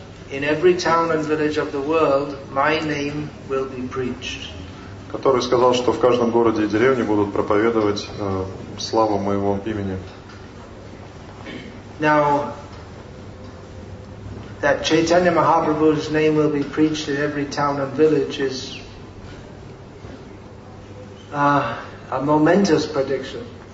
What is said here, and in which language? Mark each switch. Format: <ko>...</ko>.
<en>In every town and village of the world, my name will be preached.</en> <ru>Который сказал, что в каждом городе и деревне будут проповедовать славу моего имени.</ru> <en>Now, that Chaitanya Mahaprabhu's name will be preached in every town and village is a momentous prediction.</en>